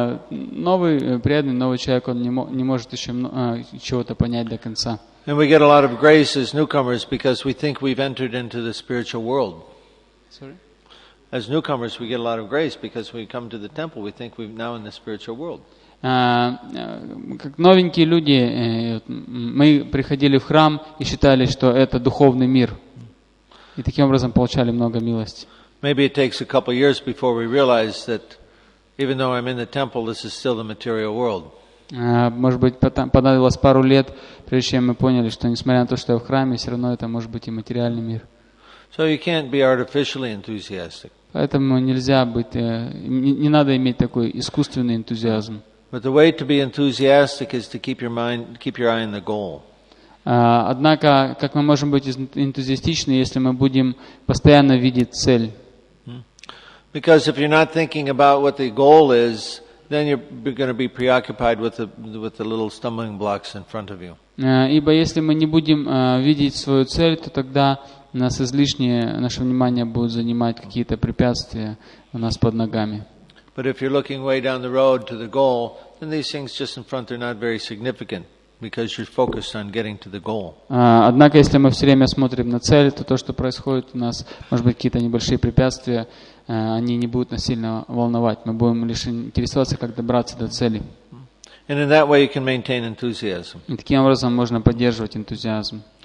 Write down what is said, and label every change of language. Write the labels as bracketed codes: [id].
[ru] Новый преданный, новый человек, он не может еще чего-то понять до конца. [en] And we get a lot of grace as newcomers because we think we've entered into the spiritual world. Sorry? As newcomers, we get a lot of grace because we come to the temple, we think we're now in the spiritual world. [ru] Как новенькие люди, мы приходили в храм и считали, что это духовный мир. И таким образом получали много милости. [en] Maybe it takes a couple of years before we realize that even though I'm in the temple, this is still the material world. [ru] Может быть, понадобилось пару лет, прежде чем мы поняли, что несмотря на то, что я в храме, все равно это может быть и материальный мир. [en] So you can't be artificially enthusiastic. [ru] Поэтому нельзя быть, не надо иметь такой искусственный энтузиазм. [en] But the way to be enthusiastic is to keep your eye on the goal. [ru] Однако, как мы можем быть энтузиастичны, если мы будем постоянно видеть цель? [en] Because if you're not thinking about what the goal is, then you're going to be preoccupied with the little stumbling blocks in front of you. [ru] Ибо если мы не будем видеть свою цель, то тогда нас излишнее наше внимание будут занимать какие-то препятствия у нас под ногами. [en] But if you're looking way down the road to the goal, then these things just in front are not very significant because you're focused on getting to the goal. [ru] Однако если мы все время смотрим на цель, то то, что происходит у нас, может быть, какие-то небольшие препятствия. Они не будут нас сильно волновать. Мы будем лишь интересоваться, как добраться до цели. [en] And in that way you can maintain enthusiasm. [ru] И таким образом можно поддерживать энтузиазм.